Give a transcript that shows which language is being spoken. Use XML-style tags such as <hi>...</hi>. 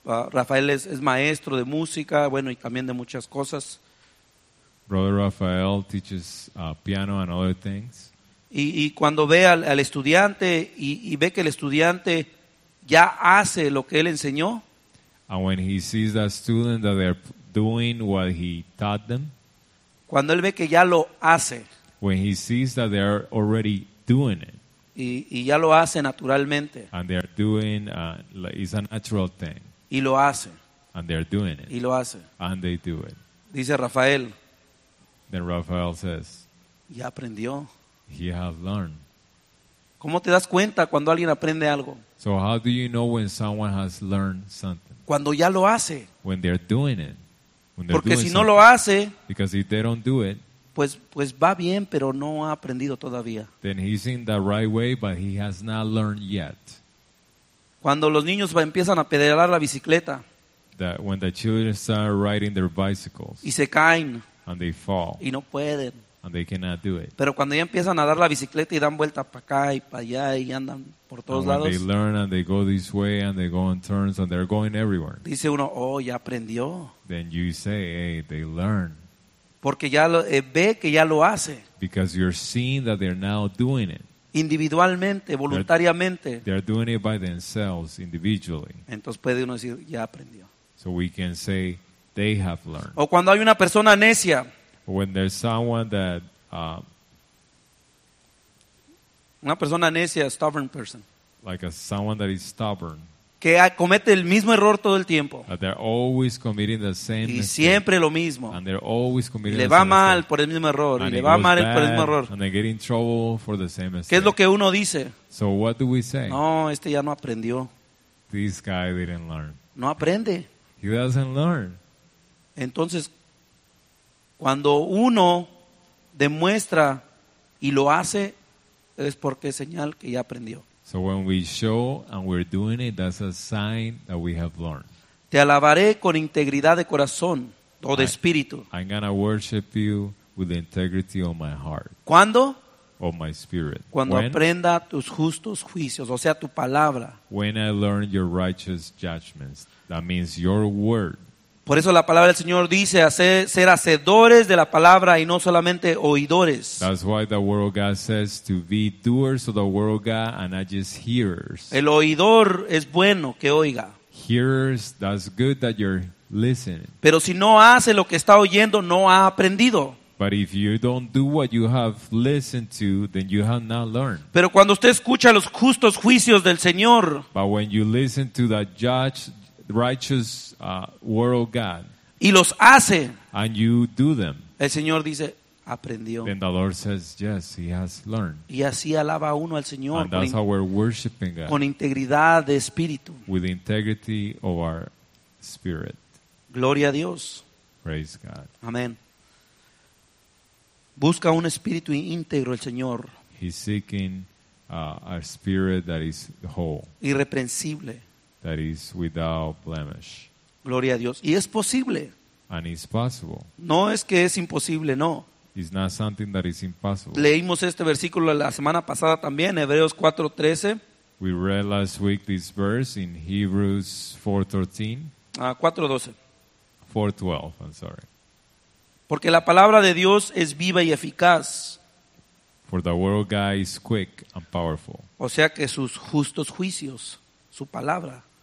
<es>Rafael es maestro de música, bueno, y también de muchas cosas.</es> <en>Brother Rafael teaches piano and other things.</en> <es>Y cuando ve al estudiante y ve que el estudiante ya hace lo que él enseñó.</es> <en>And when he sees that student that they're doing what he taught them.</en> <es>Cuando él ve que ya lo hace.</es> <en>When he sees that they're already doing it.</en> <es>Y ya lo hace naturalmente.</es> <en>And they are doing it's a natural thing.</en> <es>Y lo hace.</es> <en>And they are doing it.</en> <es>Y lo hace.</es> <en>And they do it.</en> <es>Dice Rafael.</es> <en>Then Rafael says.</en> <es>Ya aprendió.</es> <en>He has learned.</en> <es>¿Cómo te das cuenta cuando alguien aprende algo?</es> <en>So how do you know when someone has learned something?</en> <es>Cuando ya lo hace.</es> <en>When they are doing it. When</en> <es>Porque</es> <en>doing</en> <es>si</es> <en>something.</en> <es>No lo hace.</es> <en>Because if they don't do it.</en> <es>Pues va bien, pero no ha aprendido todavía.</es> <en>Then he's in the right way, but he has not learned yet.</en> <es>Cuando los niños empiezan a pedalear la bicicleta.</es> <en>That when the children start riding their bicycles.</en> <es>Y se caen.</es> <en>And they fall.</en> <es>Y no pueden.</es> <en>And they cannot do it.</en> <es>Pero cuando ya empiezan a dar la bicicleta y dan vuelta para acá y para allá y andan por todos</es> <en>and</en> <es>lados.</es> <en>They learn and they go this way and they go on turns and they're going everywhere.</en> <es>Dice uno, oh, ya aprendió.</es> <en>Then you say, hey, they learned.</en> <es>Porque ya lo ve que ya lo hace.</es> <en>Because you're seeing that they're now doing it.</en> <es>Individualmente, voluntariamente.</es> <en>They're doing it by themselves, individually.</en> <es>Entonces puede uno decir, ya aprendió.</es> <en>So we can say they have learned.</en> <es>O cuando hay una persona necia.</es> <en>When there's someone that</en> <es>una persona necia,</es> <en>a stubborn person. Like a someone that is stubborn.</en> <es>Que comete el mismo error todo el tiempo. Y siempre lo mismo. Le va mal por el mismo error. Y le va mal por el mismo error. ¿Qué es lo que uno dice?</es> <en>So what do we say?</en> <es>No, este ya no aprendió.</es> <en>This guy didn't learn.</en> <es>No aprende.</es> <en>He doesn't learn.</en> <es>Entonces, cuando uno demuestra y lo hace, es porque es señal que ya aprendió.</es> <en>So when we show and we're doing it, that's a sign that we have learned.</en> <es>Te alabaré con integridad de corazón o de espíritu.</es> <en>I'm going to worship you with the integrity of my heart.</en> <es>¿Cuándo?</es> <en>Of my spirit.</en> <es>Cuando</es> <en>when?</en> <es>Aprenda tus justos juicios, o sea, tu palabra.</es> <en>When I learn your righteous judgments, that means your word.</en> <es>Por eso la palabra del Señor dice hacer, ser hacedores de la palabra y no solamente oidores.</es> <en>That's why the word of God says to be doers of the word of God and not just hearers.</en> <es>El oidor es bueno que oiga.</es> <en>Hearers, that's good that you're listening.</en> <es>Pero si no hace lo que está oyendo, no ha aprendido.</es> <en>But if you don't do what you have listened to, then you have not learned.</en> <es>Pero cuando usted escucha los justos juicios del Señor.</es> <en>But when you listen to the judge, righteous word of God,</en> <es>y los hace,</es> <en>and you do them,</en> <es>el Señor dice, aprendió.</es> <en>Then the Lord says, yes, he has learned.</en> <es>Y así alaba uno al Señor,</es> <en>and that's how we're worshiping God,</en> <es>con integridad de espíritu,</es> <en>with the integrity of our spirit.</en> <es>Gloria a Dios.</es> <en>Praise God.</en> <es>Amén. Busca un espíritu íntegro el Señor.</es> <en>He's seeking a spirit that is whole.</en> <es>Irreprensible.</es> <en>That is without blemish.</en> <es>Gloria a Dios. Y es posible.</es> <en>And it's possible.</en> <es>No es que es imposible, no.</es> <en>It's not something that is impossible.</en> <es>Leímos este versículo la semana pasada también, Hebreos 4:13.</es> <en>We read last week this verse in Hebrews 4:13. 4:12. 4:12, I'm sorry.</en> <es>Porque la palabra de Dios es viva y eficaz.</es> <en>For the word of God is quick and powerful.</en> <es>O sea que sus justos juicios, su palabra.</es>